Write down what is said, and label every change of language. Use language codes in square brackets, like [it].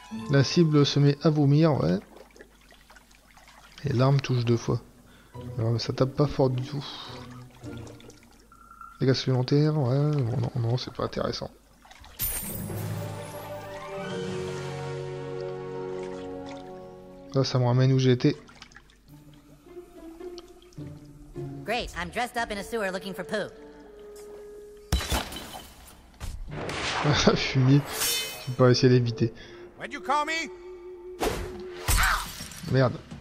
[fr] La cible se met à vomir, ouais. Et l'arme touche deux fois. Alors, mais ça tape pas fort du tout. Dégâts supplémentaires, ouais. Bon, non, non, c'est pas intéressant. Là, ça me ramène où j'étais. [en] Great, I'm dressed up in a sewer looking for poo. [fr] Fumier. Je vais pas essayer d'éviter. [en] When you call me? [fr] Merde.